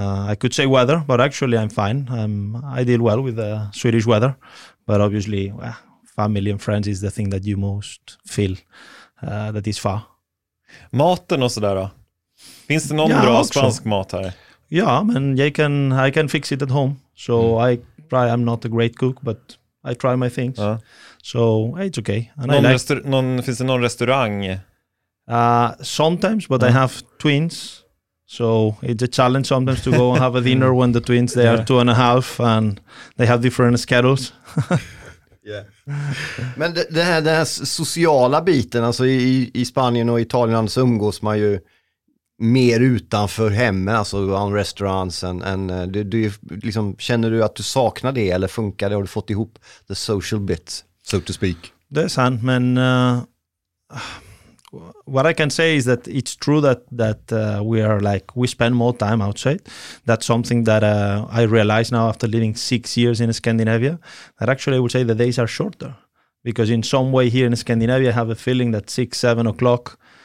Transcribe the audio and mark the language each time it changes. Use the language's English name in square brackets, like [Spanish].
[English] I could say weather, but actually I'm fine. I deal well with the Swedish weather, but obviously family and friends is the thing that you most feel that is far. [Swedish] Maten och sådär då? Finns det någon bra spansk mat här? Ja, men [English] I can fix it at home. So I'm not a great cook, but I try my things. So it's okay. And [Swedish] finns det någon restaurang? [English] Sometimes, but I have twins. So it's a challenge sometimes to go and have a dinner when the twins, they are 2.5 and they have different schedules. Yeah. [Swedish] Men den här sociala biten, alltså i Spanien och Italien så umgås man ju mer utanför hemmen, alltså [English] on restaurants. [Swedish] Liksom, känner du att du saknar det eller funkar det? Har du fått ihop [English] the social bit, so to speak? [Swedish] Det är sant, men... [English] What I can say is that it's true that we are like, we spend more time outside. That's something that I realize now after living 6 years in Scandinavia, that actually I would say the days are shorter. Because in some way here in Scandinavia, I have a feeling that 6, 7 o'clock,